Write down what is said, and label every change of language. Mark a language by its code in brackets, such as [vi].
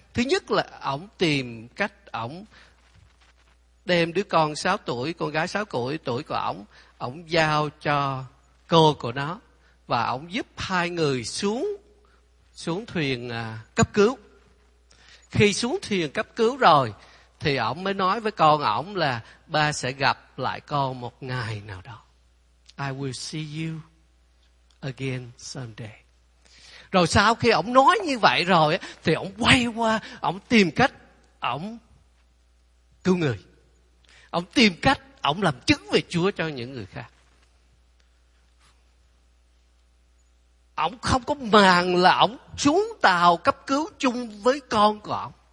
[vi] Thứ nhất là ông tìm cách, ông đem đứa con 6 tuổi, con gái 6 tuổi của ông giao cho cô của nó, và ông giúp hai người xuống thuyền cấp cứu. Khi xuống thuyền cấp cứu rồi, thì ổng mới nói với con ổng là ba sẽ gặp lại con một ngày nào đó. [en] I will see you again someday. [vi] Rồi sau khi ổng nói như vậy rồi, thì ổng quay qua, ổng tìm cách, ổng cứu người. Ổng tìm cách, ổng làm chứng về Chúa cho những người khác. Ổng không có màng là ổng xuống tàu cấp cứu chung với con của ổng.